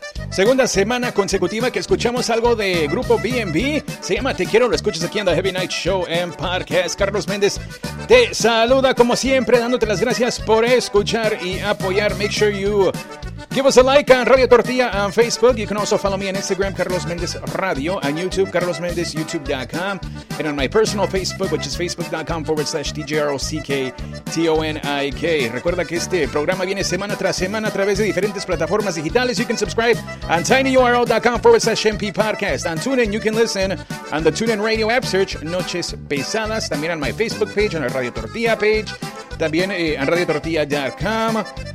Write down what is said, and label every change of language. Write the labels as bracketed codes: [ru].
[es] Segunda semana consecutiva que escuchamos algo de Grupo B&B. Se llama Te Quiero, lo escuchas aquí en The Heavy Night Show en Parques. Carlos Méndez te saluda como siempre, dándote las gracias por escuchar y apoyar. [en] Make sure you give us a like on Radio Tortilla on Facebook. You can also follow me on Instagram, Carlos Méndez Radio, on YouTube, Carlos Méndez, YouTube.com, and on my personal Facebook, which is facebook.com/TJROCKTONIK. [es] Recuerda que este programa viene semana tras semana a través de diferentes plataformas digitales. [en] You can subscribe on tinyurl.com/MPPodcast. On TuneIn, you can listen on the TuneIn Radio app search, Noches Pesadas. [es] También [en] on my Facebook page, on our Radio Tortilla page. También on RadioTortilla.com.